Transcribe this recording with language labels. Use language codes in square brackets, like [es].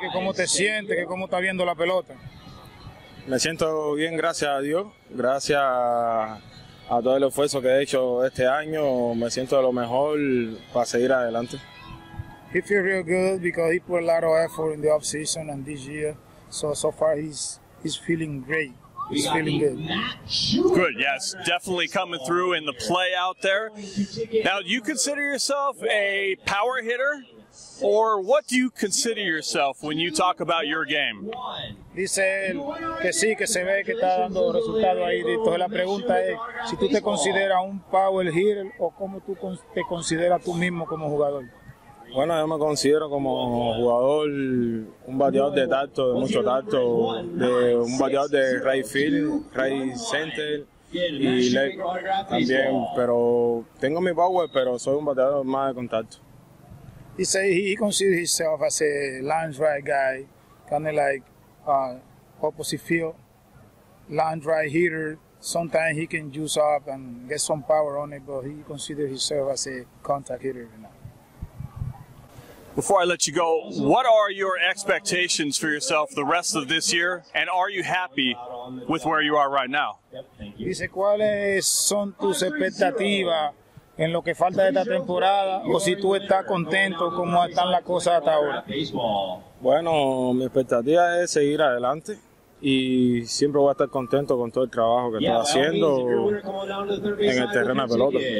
[es] Que cómo te sientes, que cómo está viendo la pelota. Me siento bien, gracias a Dios, gracias a todo el esfuerzo que he hecho este año. Me siento de lo mejor para seguir adelante. [en] He feels real good because he put a lot of effort in the off season and this year. So far he's feeling great. He's feeling good. Good, yes. Definitely coming through in the play out there. Now, do you consider yourself a power hitter? Or what do you consider yourself when you talk about your game? [es] Dice él que sí, que se ve que está dando resultado ahí. Entonces la pregunta es, si tú te consideras un [en] power hitter [es] o cómo tú te consideras tú mismo como jugador. Bueno, yo me considero como jugador, un bateador de tacto, de mucho tacto, de un bateador de [en] right field, right center [es] y [en] left [es] también. Pero tengo mi power, pero soy un bateador más de contacto. [en] He say he considers himself as a line drive guy, kind of like opposite field, line drive hitter. Sometimes he can juice up and get some power on it, but he considers himself as a contact hitter now. Before I let you go, what are your expectations for yourself the rest of this year, and are you happy with where you are right now? [es] Dice, ¿cuáles son tus expectativas en lo que falta de esta temporada, o si tú estás contento cómo están las cosas hasta ahora? Bueno, mi expectativa es seguir adelante y siempre voy a estar contento con todo el trabajo que estoy haciendo en el terreno de pelota.